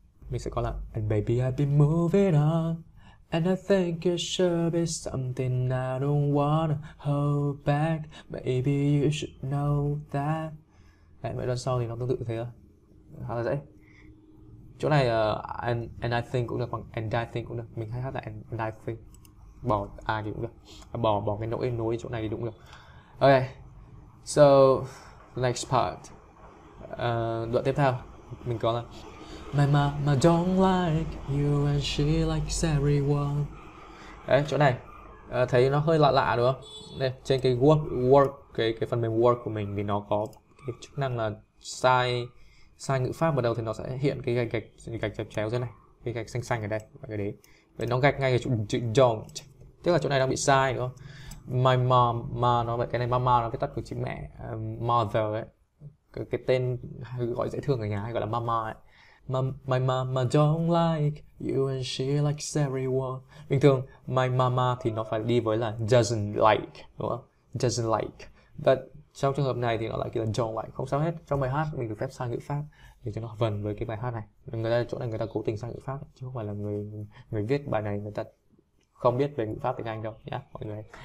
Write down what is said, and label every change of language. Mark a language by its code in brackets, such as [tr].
[vi] Mình sẽ có là [en] And baby I've been moving on, and I think it should be something I don't wanna hold back. Maybe you should know that. [vi] Đấy, vậy đoạn sau thì nó tương tự thế thôi, khá là dễ. Chỗ này [en] and I think [vi] cũng được, hoặc and I think cũng được. Mình hay hát là [en] and I think, [vi] bỏ ai thì cũng được, bỏ bỏ cái nỗi nối chỗ này thì cũng được. [en] Ok, so next part, [vi] đoạn tiếp theo mình có là [en] My mama don't like you and she likes everyone. [vi] Đấy, chỗ này thấy nó hơi lạ lạ đúng không? Đây, trên cái work cái phần mềm work của mình thì nó có cái chức năng là sai sai ngữ pháp, bắt đầu thì nó sẽ hiện cái gạch gạch gạch chéo chéo thế này, cái gạch xanh xanh ở đây và cái đấy, vậy nó gạch ngay cái chữ don't, tức là chỗ này đang bị sai đúng không? My mom, mà nó vậy, cái này mama là cái tắt của chị mẹ, mother ấy, cái tên gọi dễ thương ở nhà hay gọi là mama ấy. [en] My mama don't like you and she likes everyone. [vi] Bình thường my mama thì nó phải đi với là doesn't like đúng không? Doesn't like. Và trong trường hợp này thì nó lại kiểu là don't like, không sao hết. Trong bài hát mình được phép sang ngữ pháp để cho nó vần với cái bài hát này. Người ta chỗ này người ta cố tình sang ngữ pháp chứ không phải là người người viết bài này người ta không biết về ngữ pháp tiếng Anh đâu nhá mọi người.